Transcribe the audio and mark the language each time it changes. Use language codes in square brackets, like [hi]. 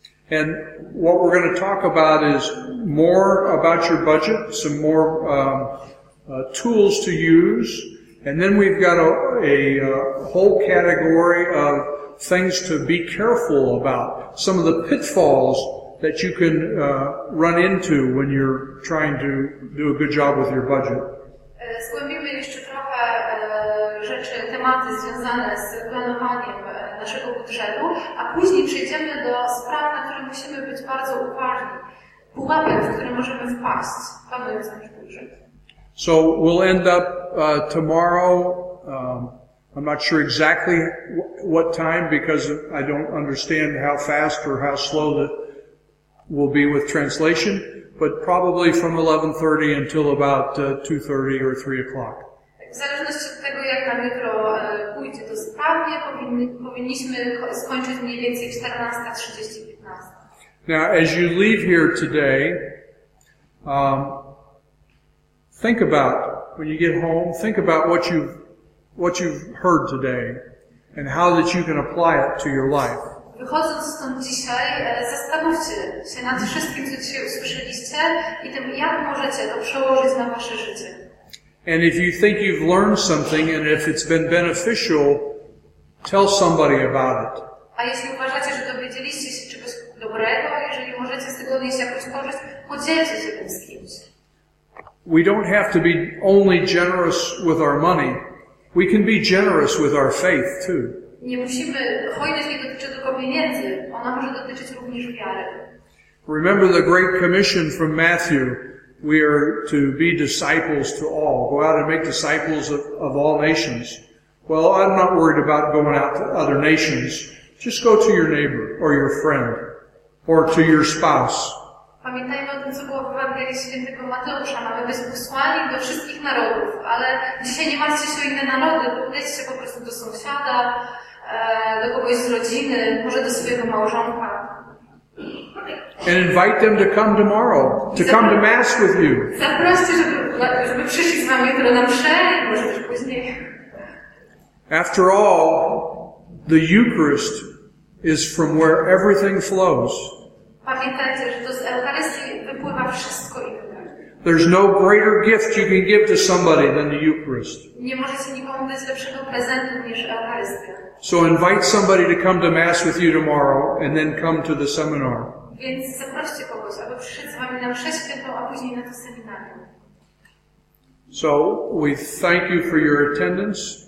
[en] And what we're going to talk about is more about your budget, some more tools to use. And then we've got a whole category of things to be careful about. Some of the pitfalls that you can run into when you're trying to do a good job with your budget. [pl] Zgłębimy jeszcze trochę rzeczy tematy związane z planowaniem naszego budżetu, a później przejdziemy do spraw, na które musimy być bardzo uważni. Pułapek, w który możemy wpaść, planując nasz budżet. [en] So we'll end up tomorrow. I'm not sure exactly what time because I don't understand how fast or how slow that will be with translation, but probably from 11:30 until about 2:30 or 3 o'clock. [pl] W zależności od tego, jak na mikro pójdzie to sprawnie, powinniśmy skończyć mniej więcej 14:30-15. [en] Now, as you leave here today, think about, when you get home, think about what you've heard today and how that you can apply it to your life. [pl] Wychodząc stąd dzisiaj, zastanówcie się nad wszystkim, co dzisiaj usłyszeliście i tym, jak możecie to przełożyć na wasze życie. [en] And if you think you've learned something and if it's been beneficial, tell somebody about it. [pl] A jeśli uważacie, że dowiedzieliście się czegoś dobrego, jeżeli możecie z tego odnieść jakąś korzyść, podzielcie się tym z kimś. [en] We don't have to be only generous with our money. We can be generous with our faith too. [pl] Nie musimy, hojność nie dotyczy tylko pieniędzy, ona może dotyczyć również wiary. [en] Remember the Great Commission from Matthew. We are to be disciples to all. Go out and make disciples of all nations. Well, I'm not worried about going out to other nations. Just go to your neighbor or your friend or to your spouse. [pl] Pamiętajmy o tym, co było w Ewangelii Świętego Mateusza. Mamy być posłani do wszystkich narodów, ale dzisiaj nie martwcie się o inne narody. Pójdźcie się po prostu do sąsiada, do kogoś z rodziny, może do swojego małżonka. [en] And invite them to come tomorrow, to come to Mass with you. [pl] Zaproście, żeby przyszli z wami jutro na mszę, może też później. [en] After all, the Eucharist is from where everything flows. [pl] Pamiętajcie, że to z Eucharystii wypływa wszystko i tak. [en] There's no greater gift you can give to somebody than the Eucharist. [pl] Nie możecie nikomu dać lepszego prezentu niż Eucharystia. [en] So invite somebody to come to Mass with you tomorrow and then come to the seminar. [pl] Więc zaproście kogoś, aby przyszedł z wami na mszę świętą, a później na to seminarium. [en] So we thank you for your attendance.